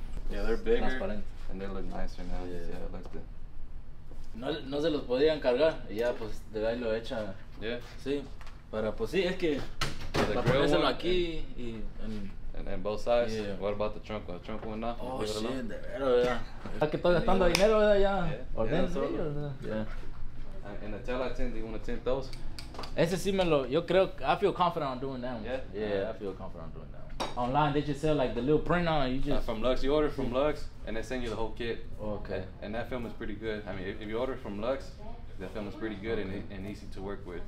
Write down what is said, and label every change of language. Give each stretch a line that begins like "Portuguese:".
English: Yeah, they're bigger. Transparent. And they look nicer now. Yeah, it looks good.
Spanish: No se los podían cargar. Y ya, pues, de ahí lo echa.
English: Yeah.
Spanish: Sí. Para, pues, sí, es que.
English: The grill one.
Spanish: Aquí
English: and both sides. Yeah. What about the trunk one? The trunk one not? Oh, shit, alone?
Spanish: De verdad. Ya que estoy gastando dinero, ¿verdad? Ya.
English: Yeah.
Spanish: Ordenen, sí.
English: Yeah. And the taillight tint, do you want to tint those?
Spanish: Ese sí me lo, yo creo,
English: I feel confident on doing that one. Yeah, I feel confident on doing that one. Online, they just sell like the little print on it. You just from Lux, you order from Lux, and they send you the whole kit. Okay. And that film is pretty good. I mean, if you order from Lux, that film is pretty good and easy to work with.